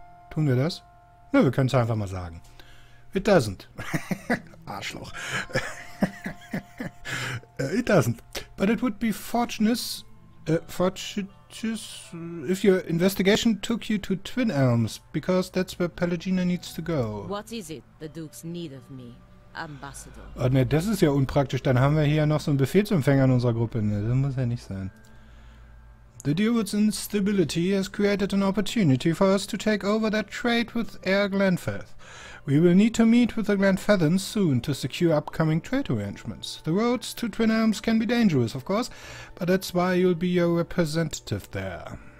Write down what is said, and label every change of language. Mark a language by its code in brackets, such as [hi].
[de] Tun wir das? Nö, wir können es einfach mal sagen. [en] It doesn't. [de] Arschloch. [en] It doesn't. But it would be fortuitous if your investigation took you to Twin Elms, because that's where Pellegrino needs to go. What is it the Dukes need of me? Ambassador. [de] Oh ne, das ist ja unpraktisch. Dann haben wir hier noch so einen Befehlsempfänger in unserer Gruppe. Ne, das muss ja nicht sein. [en] The Deerwood's instability has created an opportunity for us to take over that trade with Air Glenfeth. We will need to meet with the Glenfethans soon to secure upcoming trade arrangements. The roads to Twin Elms can be dangerous, of course, but that's why you'll be your representative there.